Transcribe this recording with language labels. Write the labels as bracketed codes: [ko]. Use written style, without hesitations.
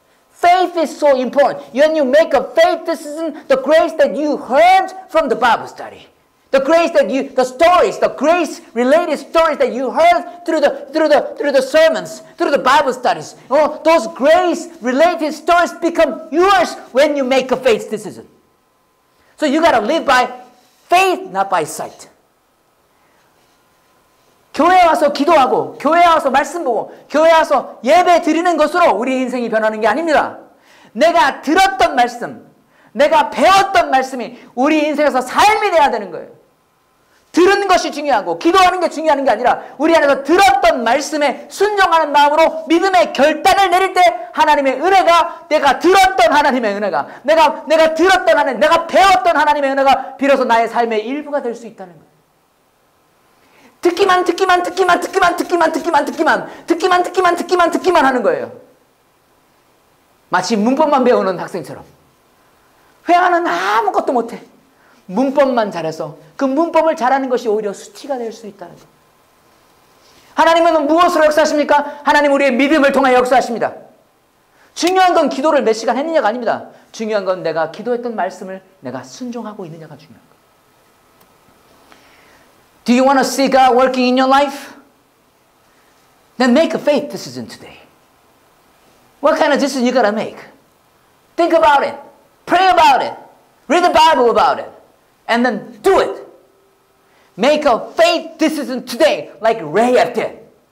[en] Faith is so important. When you make a faith decision, the grace that you heard from the Bible study, the grace related stories that you heard through the sermons, through the Bible studies. Oh, those grace related stories become yours when you make a faith decision. So you got to live by faith, not by sight. [ko] 교회 와서 기도하고, 교회 와서 말씀 보고, 교회 와서 예배 드리는 것으로 우리 인생이 변하는 게 아닙니다. 내가 들었던 말씀, 내가 배웠던 말씀이 우리 인생에서 삶이 돼야 되는 거예요. 들은 것이 중요하고 기도하는 게 중요한 게 아니라 우리 안에서 들었던 말씀에 순종하는 마음으로 믿음의 결단을 내릴 때 하나님의 은혜가 내가 들었던 하나님의 은혜가 내가 들었던 하나님, 내가 배웠던 하나님의 은혜가 비로소 나의 삶의 일부가 될 수 있다는 거예요. 듣기만 하는 거예요. 마치 문법만 배우는 학생처럼. 회화는 아무것도 못해. 문법만 잘해서 그 문법을 잘하는 것이 오히려 수치가 될 수 있다는 거예요. 하나님은 무엇으로 역사하십니까? 하나님 우리의 믿음을 통해 역사하십니다. 중요한 건 기도를 몇 시간 했느냐가 아닙니다. 중요한 건 내가 기도했던 말씀을 내가 순종하고 있느냐가 중요한 거예요. [en] Do you want to see God working in your life? Then make a faith decision today. What kind of decision you gotta make? Think about it. Pray about it. Read the Bible about it. And then do it. Make a faith decision today like Rahab did.